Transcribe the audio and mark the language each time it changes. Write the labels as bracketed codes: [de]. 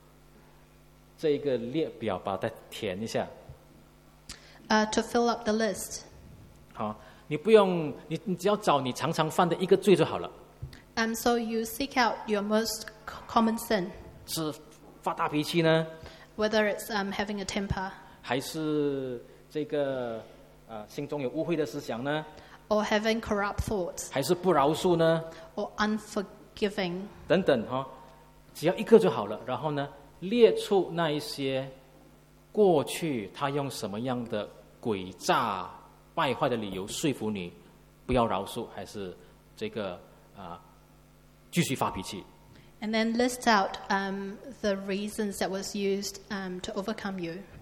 [zh] 去把这个列表把它填一下。 [en] To fill up the list. [zh] 好，你不用，你只要找你常常犯的一个罪就好了。 [en] So you seek out your most common sin. [zh] 是发大脾气呢？ [en] Whether it's having a temper, [zh] 还是这个, 心中有污秽的思想呢? [en] Or having corrupt thoughts, [zh] 还是不饶恕呢? [en] Or unforgiving, [zh] 等等, 只要一个就好了, 然后呢, 列出那一些过去他用什么样的诡诈败坏的理由说服你, 不要饶恕, 还是这个, 继续发脾气。 [en] And then list out the reasons that was used to overcome you.